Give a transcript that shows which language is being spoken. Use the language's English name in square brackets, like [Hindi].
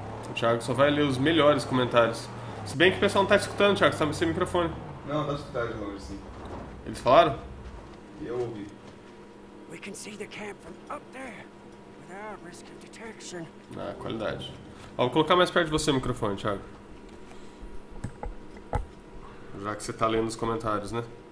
[Portuguese] O Thiago só vai ler os melhores comentários. Se bem que o pessoal não tá escutando, Thiago, você tá sem microfone. Não, dá pra escutar de longe, sim. Eles falaram? Eu ouvi. [English] We can see the camp from up there without risk of detection. [Portuguese] Ah, qualidade. Ó, vou colocar mais perto de você o microfone, Thiago. Já que você tá lendo os comentários, né?